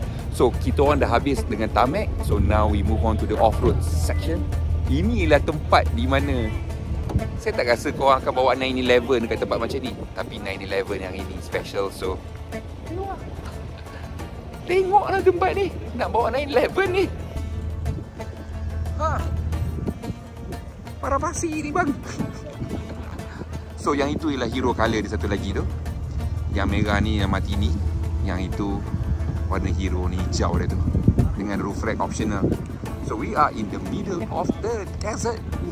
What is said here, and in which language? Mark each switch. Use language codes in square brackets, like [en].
[ms] So, kita orang dah habis dengan tarmac. [en] So, now we move on to the off-road section. [ms] Inilah tempat di mana saya tak rasa korang akan bawa 911 dekat tempat macam ni. Tapi 911 yang ini special. So, tengoklah tempat ni. Nak bawa 911 ni. Para pasir ni bang. So, yang itu ialah hero color dia satu lagi tu. Yang merah ni, yang mati ni. Yang itu warna hero ni hijau dia tu, dengan roof rack optional. [en] So we are in the middle of the desert.